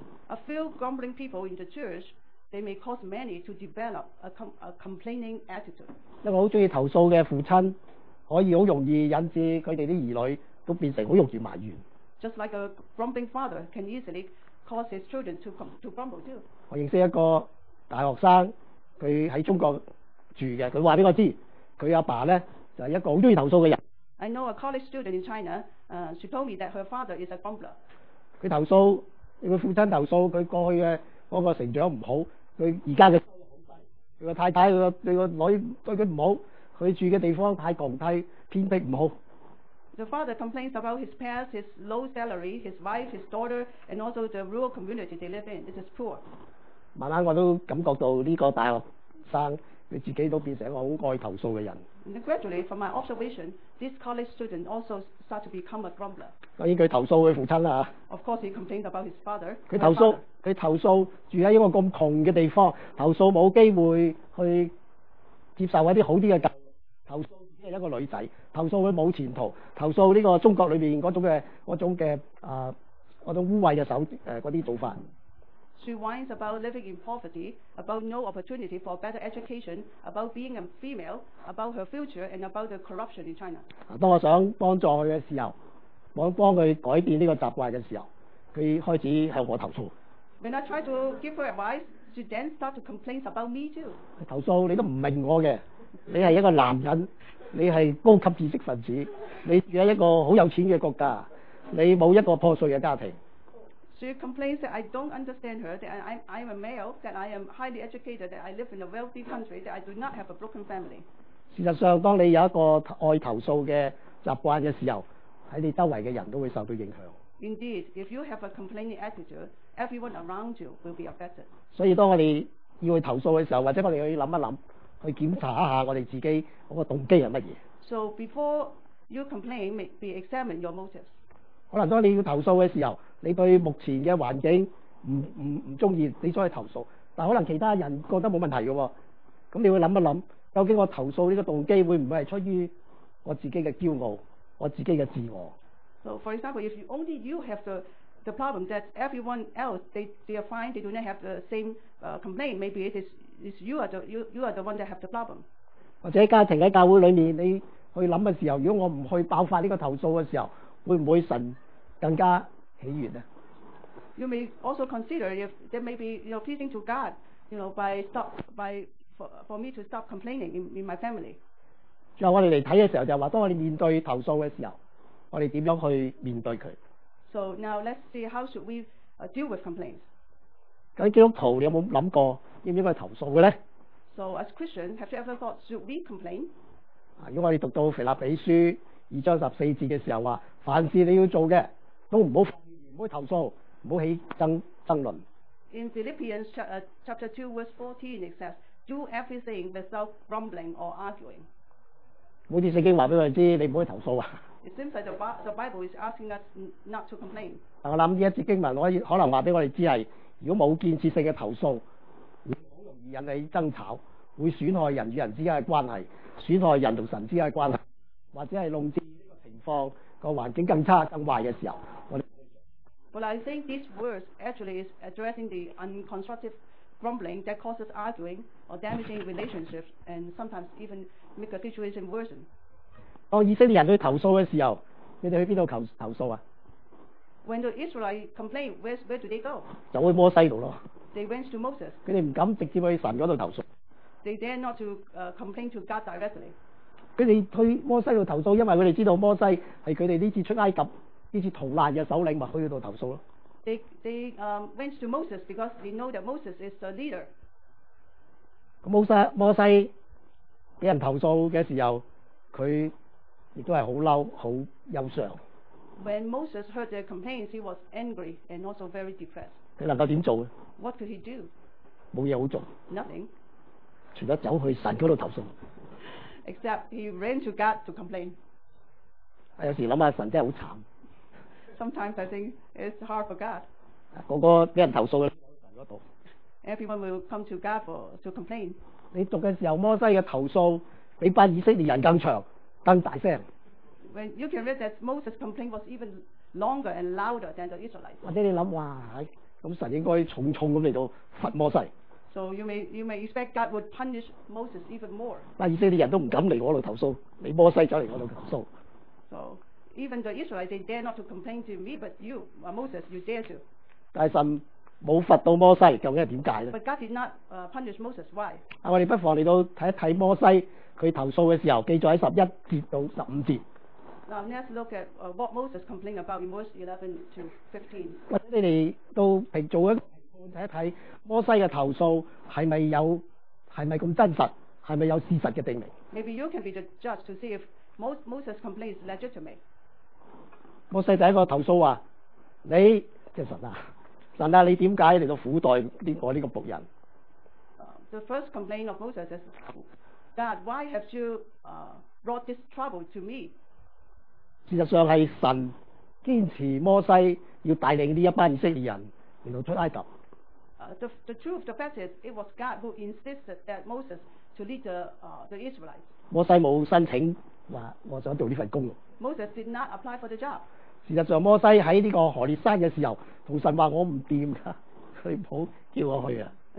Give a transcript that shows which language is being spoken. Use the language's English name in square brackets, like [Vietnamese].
[English] A few grumbling people in the church, they may cause many to develop a complaining attitude. [Cantonese] 一個很喜歡投訴的父親可以很容易引致他們的兒女都變成很容易埋怨。 [English] Just like a grumbling father can easily cause his children to grumble too. [Cantonese] 我認識一個大學生，他在中國住的，他告訴我，他父親就是一個很喜歡投訴的人。 [English] I know a college student in China, she told me that her father is a grumbler. [Cantonese] 他投訴，他父親投訴他過去的那個成長不好，他現在的他太太、他的女兒對他不好，他住的地方太窮太偏僻不好。 [English] The father complains about his past, his low salary, his wife, his daughter, and also the rural community they live in. It is poor. [Cantonese] 慢慢我都感覺到這個大學生他自己都變成一個很愛投訴的人。 [English] And gradually, from my observation, this college student also started to become a grumbler. [Cantonese] 當然他投訴他父親啊。 [English] Of course, he complained about his father. [Cantonese] 他投訴住在一個咁窮的地方，投訴沒有機會去接受一些好一點的教育，投訴只是一個女仔，投訴她沒有前途，投訴這個中國裡面那種污衊的手那些做法。 [English] She whines about living in poverty, about no opportunity for better education, about being a female, about her future, and about the corruption in China. [Cantonese] 當我想幫助她的時候，想幫她改變這個習慣的時候，她開始向我投訴。 [English] When I try to give her advice,She then start to complain about me too. [Cantonese] 投訴你都不明白我的，你是一個男人，你是高級知識分子，你住在一個很有錢的國家，你沒有一個破碎的家庭。 [English] She complains that I don't understand her, that I'm a male, that I am highly educated, that I live in a wealthy country, that I do not have a broken family. [Cantonese] 事實上當你有一個愛投訴的習慣的時候，在你周圍的人都會受到影響。 [English] Indeed, if you have a complaining attitude, everyone around you will be affected. [Cantonese] 所以當我們要去投訴的時候，或者我們要想一想，去檢查一下我們自己那個動機是什麼。 [English] So before you complain, maybe examine your motives. [Cantonese] 可能當你要投訴的時候，你對目前的環境不喜歡，你再去投訴，但可能其他人覺得沒問題的，那你會想一想，究竟我投訴這個動機會不會是出於我自己的驕傲，我自己的自我。 [English] So for example, if only you have the problem that everyone else, they are fine, they do not have the same complaint, maybe it is you are the one that have the problem. [Cantonese] 或者家庭在教會裡面，你去想的時候，如果我不去爆發這個投訴的時候，會不會神更加喜悅呢？ [English] You may also consider if there may be, you know, pleasing to God, you know, for me to stop complaining in my family. [Cantonese] 最後我們來看的時候，就是說當我們面對投訴的時候，我們怎樣去面對它。 [English] So now let's see how should we deal with complaints. [Cantonese] 基督徒你有沒有想過應不應該投訴呢？ [English] So as Christians, have you ever thought, should we complain? [Cantonese] 因為我們讀到腓立比書二章十四節的時候說，凡事你要做的都不要發怨言，不要投訴，不要起爭論。 [English] In Philippians chapter 2 verse 14 it says, do everything without grumbling or arguing. [Cantonese] 好像聖經告訴我們，你不要投訴啊。 [English] It seems like the Bible is asking us not to complain. [Cantonese] 但我想這一節經文可能告訴我們，如果沒有建設性的投訴，會很容易引起爭吵，會損害人與人之間的關係，損害人與神之間的關係，或者是弄致這個情況的環境更差更壞的時候，我們不會做。 [English] But I think these words actually is addressing the unconstructive grumbling that causes arguing or damaging relationships and sometimes even make a situation worse. [Cantonese] 當以色列人去投訴的時候，你們去哪裡投訴啊？ [English] When the Israelites complain, where do they go? [Cantonese] 就去摩西那裡。 [English] They went to Moses. [Cantonese] 他們不敢直接去神那裡投訴。 [English] They dare not to complain to God directly. [Cantonese] 他們去摩西那裡投訴，因為他們知道摩西是他們這次出埃及這次逃難的首領，就去那裡投訴。 [English] They went to Moses because they know that Moses is the leader. [Cantonese] 摩西被人投訴的時候，他亦都係好嬲，好憂傷。 [English] When Moses heard their complaints, he was angry and also very depressed. [Cantonese] 佢能夠點做？ [English] What could he do? [Cantonese] 冇嘢好做。 [English] Nothing. [Cantonese] 除咗走去神嗰度投訴。 [English] Except he ran to God to complain. [Cantonese] 有時諗下神真係好慘。 [English] Sometimes I think it's hard for God. [Cantonese] 個個被人投訴嘅神嗰度。 [English] Everyone will come to God for to complain. [Cantonese] 你讀嘅時候，摩西嘅投訴比班以色列人更長、更大聲。 [English] When you can read that Moses' complaint was even longer and louder than the Israelites. [Cantonese] 或者你諗哇，咁神應該重重咁嚟到罰摩西。 [English] So you may expect God would punish Moses even more. [Cantonese] 班以色列人都唔敢嚟我度投訴，你摩西走嚟我度投訴。 [English] So even the Israelites they dare not to complain to me, but you, Moses, you dare to. [Cantonese] 但神冇罰到摩西，究竟係點解咧？ [English] But God did not punish Moses. Why? [Cantonese] 我哋不妨嚟到睇一睇摩西佢投訴嘅時候，記載喺11-15。 [English] Now let's look at what Moses complained about in verse 11-15. [Cantonese] 或者你哋都平做一睇一睇摩西嘅投訴係咪有係咪咁真實，係咪有事實嘅證明 [English] ？Maybe you can be the judge to see if Moses' complaint is legitimate. [Cantonese] 摩西第一個投訴話：你即係神啊！神啊，你點解嚟到苦待我呢個仆人 [English] ？The first complaint of Moses is, God, why have you brought this trouble to me？ [Cantonese] 事實上係神堅持摩西要帶領呢一班以色列人嚟到出埃及。 [English] The truth of the fact is, it was God who insisted that Moses to lead the Israelites. [Cantonese] 摩西冇申請話我想做呢份工。 [English] Moses did not apply for the job. [Cantonese] 事實上，摩西喺呢個何烈山嘅時候，同神話：我唔掂噶，佢唔好叫我去啊。